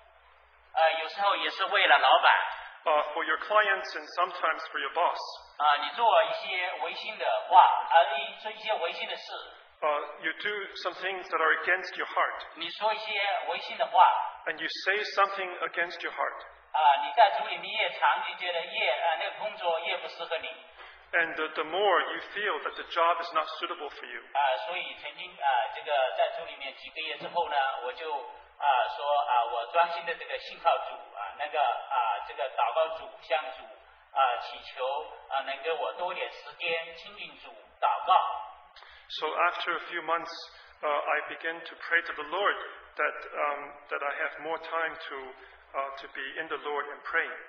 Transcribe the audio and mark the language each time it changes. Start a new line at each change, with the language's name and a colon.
Chinese: 你为了你的客户，有时候也是为了老板。
English: For your clients and sometimes for your boss.
Chinese: 你做一些违心的话，做一些违心的事。
English: You do some things that are against your heart.
Chinese: 你说一些违心的话,
English: and you say something against your heart.
Chinese: 你在主里面越长，你觉得那个工作越不适合你。
English: And the more you feel that the job is not suitable for you.
Chinese: 所以曾经在主里面几个月之后呢，我就说我专心的这个信靠主，那个祷告主，向主祈求能给我多点时间亲近主祷告。
English: So after a few months, I began to pray to the Lord that that I have more time to be in the Lord and pray.